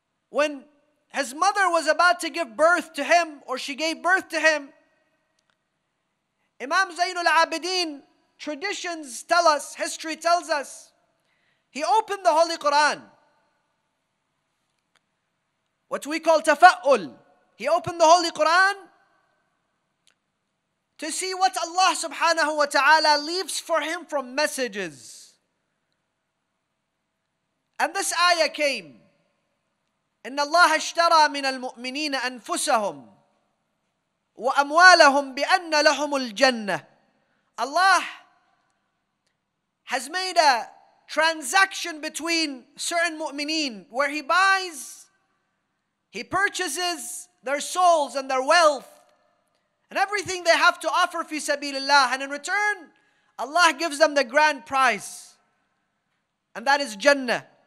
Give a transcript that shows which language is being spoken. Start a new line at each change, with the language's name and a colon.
English: When his mother was about to give birth to him, or she gave birth to him, Imam Zainul Abideen, traditions tell us, history tells us, he opened the Holy Quran, what we call tafa'ul. He opened the Holy Quran to see what Allah subhanahu wa ta'ala leaves for him from messages. And this ayah came.
Arabic: إن الله اشترى من المؤمنين أنفسهم وأموالهم بأن لهم الجنة.
English: Allah has made a transaction between certain mu'mineen where he purchases their souls and their wealth and everything they have to offer
Arabic: في سبيل الله,
English: and in return Allah gives them the grand prize, and that is Jannah.